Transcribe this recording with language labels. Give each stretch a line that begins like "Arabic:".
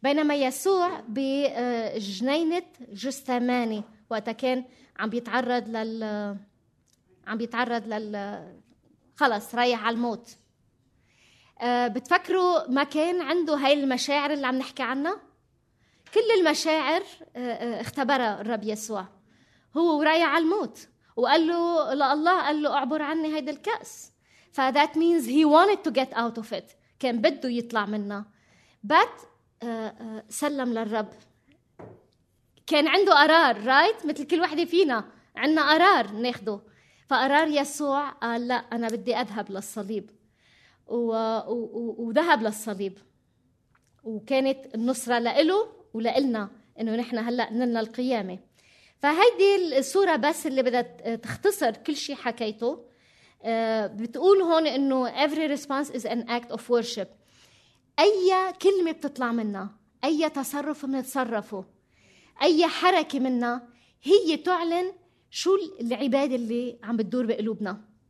Arabic: يسوع بجنينة جثماني وقتها كان عم بيتعرض لل خلص رايح على الموت. بتفكروا ما كان عنده هاي المشاعر اللي عم نحكي عنها؟ كل المشاعر اختبرها الرب يسوع هو ورايح على الموت وقال له لله قال له اعبر عني هيدا الكأس.
English: ف that means he wanted to get out of it.
Arabic: كان بده يطلع منها but سلم للرب. كان عنده قرار رايت مثل كل واحدة فينا عنا قرار ناخده. فقرار يسوع قال لا أنا بدي أذهب للصليب وذهب للصليب وكانت النصرة لإله ولإلنا إنه نحن هلأ نلنا القيامة. فهيدي الصورة بس اللي بدأت تختصر كل شيء حكيته. بتقول هون إنه
English: every response is an act of worship.
Arabic: أي كلمة بتطلع منا أي تصرف منتصرفه أي حركة منا هي تعلن شو العبادة اللي عم بتدور بقلوبنا.